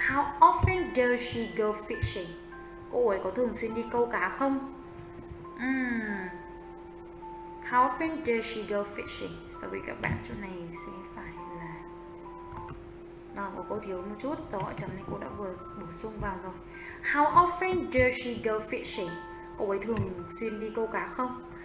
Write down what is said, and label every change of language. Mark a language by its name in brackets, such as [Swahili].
[English] How often does she go fishing? [Vietnamese] Cô ấy có thường xuyên đi câu cá không? [English] How often does she go fishing? [Vietnamese] Sorry các bạn, chỗ này sẽ phải là cô thiếu một chút, tớ gọi chấm này cô đã vừa bổ sung vào rồi. [English] How often does she go fishing? [Vietnamese] Cô ấy thường xuyên đi câu cá không?